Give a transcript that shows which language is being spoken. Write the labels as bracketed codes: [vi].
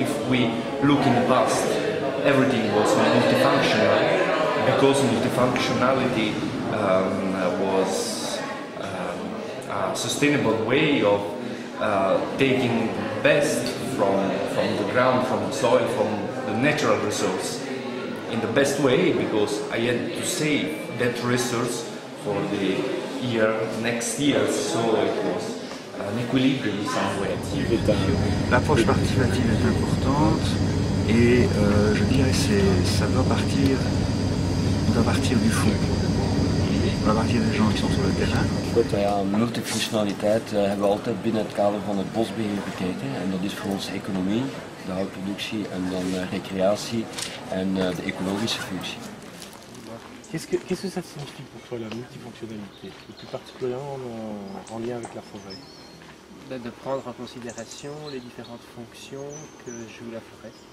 [en] If we look in the past, everything was multifunctional, because multifunctionality was a sustainable way of taking best from the ground, from the soil, from the natural resource in the best way, because I had to save that resource for the year, next year, so it was an equilibrium in some way. [fr] L'approche participative est importante et je dirais c'est ça doit partir. On doit partir du fond. On doit partir des gens qui sont sur le terrain. [nl] Goed, ja, multifunctionaliteit hebben we altijd binnen het kader van het bosbeheer bekeken. En dat is voor ons economie, de houtproductie en dan recreatie en de ecologische functie. [fr] Qu'est-ce que ça signifie pour toi la multifonctionnalité, et plus particulièrement en lien avec la forêt? De prendre en considération les différentes fonctions que joue la forêt.